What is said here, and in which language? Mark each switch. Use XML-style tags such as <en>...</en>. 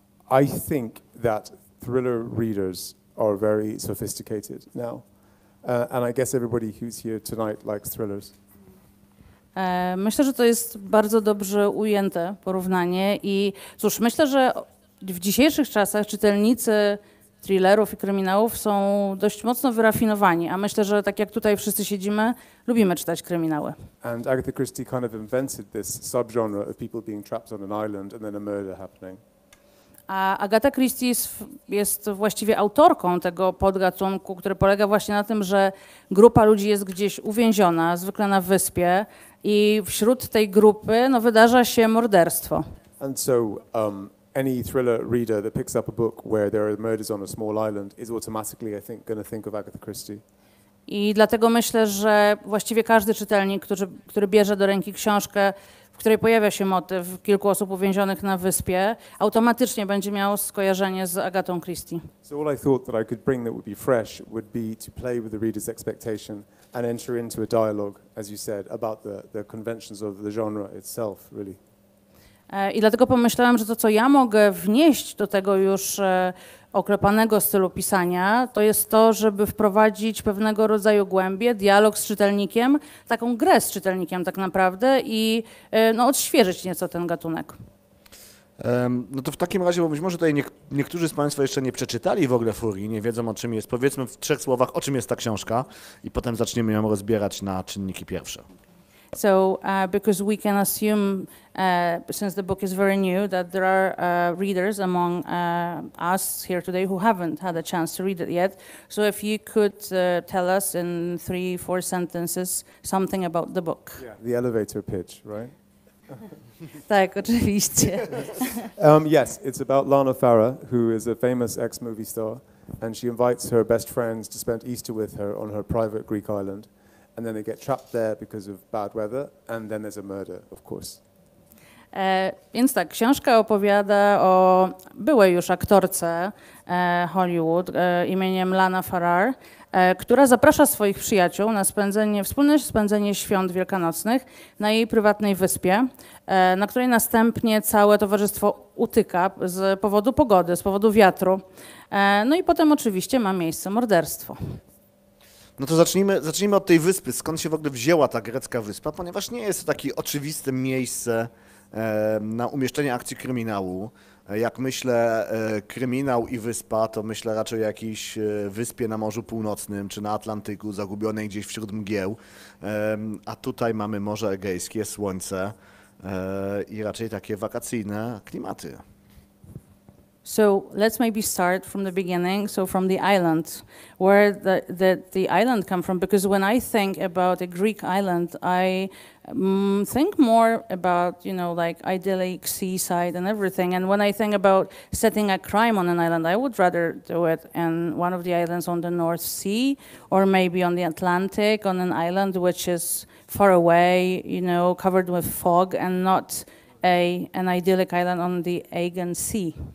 <en>I think that thriller readers are very sophisticated now. And I guess everybody who's here tonight likes thrillers.</en> <pl>Myślę, że to jest bardzo dobrze ujęte porównanie i cóż, myślę, że w dzisiejszych czasach czytelnicy thrillerów i kryminałów są dość mocno wyrafinowani, a myślę, że tak jak tutaj wszyscy siedzimy, lubimy czytać kryminały.</pl> <en>And Agatha Christie kind of invented this subgenre of people being trapped on an island and then a murder happening.</en> <pl>A Agatha Christie jest właściwie autorką tego podgatunku, który polega właśnie na tym, że grupa ludzi jest gdzieś uwięziona, zwykle na wyspie, i wśród tej grupy no, wydarza się morderstwo.</pl> <en>And so any thriller reader that picks up a book where there are murders on a small island is automatically, I think, going to think of Agatha Christie.</en> <pl>I dlatego myślę, że właściwie każdy czytelnik, który bierze do ręki książkę, w której pojawia się motyw kilku osób uwięzionych na wyspie, automatycznie będzie miał skojarzenie z Agatą Christie.</pl> <en>So all I thought that I could bring that would be fresh would be to play with the reader's expectation and enter into a dialogue, as you said, about the conventions of the genre itself, really.</en> <pl>I dlatego pomyślałem, że to, co ja mogę wnieść do tego już oklepanego stylu pisania, to jest to, żeby wprowadzić pewnego rodzaju głębię, dialog z czytelnikiem, taką grę z czytelnikiem tak naprawdę i no, odświeżyć nieco ten gatunek. No to w takim razie, bo być może tutaj niektórzy z Państwa jeszcze nie przeczytali w ogóle Furii, nie wiedzą o czym jest, powiedzmy w trzech słowach, o czym jest ta książka i potem zaczniemy ją rozbierać na czynniki pierwsze.</pl> <en>So, because we can assume, since the book is very new, that there are readers among us here today who haven't had a chance to read it yet. So if you could tell us in 3-4 sentences something about the book. Yeah, the elevator pitch, right?</en> <pl>Tak, oczywiście.</pl> <en>Yes, it's about Lana Farah, who is a famous ex-movie star, and she invites her best friends to spend Easter with her on her private Greek island. And then they get trapped there because of bad weather, and then there's a murder, of course.</en> <pl>Więc tak, książka opowiada o byłej już aktorce Hollywood imieniem Lana Farrar, która zaprasza swoich przyjaciół na wspólne spędzenie świąt wielkanocnych na jej prywatnej wyspie, na której następnie całe towarzystwo utyka z powodu pogody, z powodu wiatru. No i potem oczywiście ma miejsce morderstwo. No to zacznijmy od tej wyspy, skąd się w ogóle wzięła ta grecka wyspa, ponieważ nie jest to takie oczywiste miejsce na umieszczenie akcji kryminału. Jak myślę kryminał i wyspa, to myślę raczej o jakiejś wyspie na Morzu Północnym czy na Atlantyku, zagubionej gdzieś wśród mgieł. A tutaj mamy Morze Egejskie, słońce i raczej takie wakacyjne klimaty.</pl> <en>So let's maybe start from the beginning, so from the island. Where the island come from? Because when I think about a Greek island, I think more about, you know, like idyllic seaside and everything. And when I think about setting a crime on an island, I would rather do it in one of the islands on the North Sea or maybe on the Atlantic, on an island which is far away, you know, covered with fog and not an idyllic island on the Aegean Sea.</en>